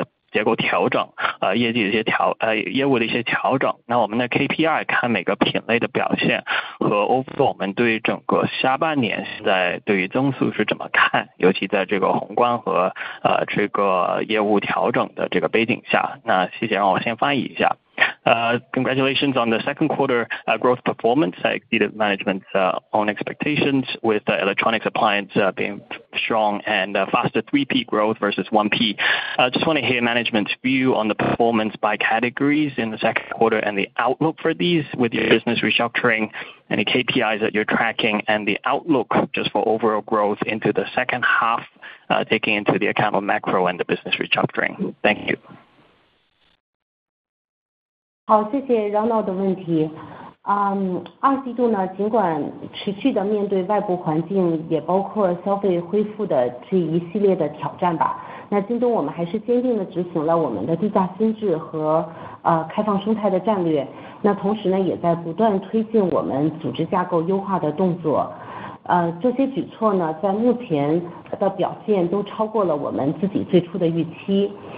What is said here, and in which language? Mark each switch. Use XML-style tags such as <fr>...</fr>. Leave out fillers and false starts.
<zh>结构调整，业绩的一些业务的一些调整，那我们的 KPI 看每个品类的表现和我们对整个下半年现在对于增速是怎么看，尤其在这个宏观和 这个业务调整的这个背景下，那谢谢，让我先翻译一下。</zh> <en>Congratulations on the second quarter growth performance. I exceeded management's own expectations with the electronics appliance being strong and faster 3P growth versus 1P. Just want to hear management's view on the performance by categories in the second quarter and the outlook for these with your business restructuring, any KPIs that you're tracking, and the outlook just for overall growth into the second half, taking into the account of macro and the business restructuring. Thank you.</en> <zh>好，谢谢 Ronald 的问题。二季度呢，尽管持续的面对外部环境，也包括消费恢复的这一系列的挑战吧。那京东我们还是坚定的执行了我们的低价新制和开放生态的战略。那同时呢，也在不断推进我们组织架构优化的动作。这些举措呢，在目前的表现都超过了我们自己最初的预期。</zh>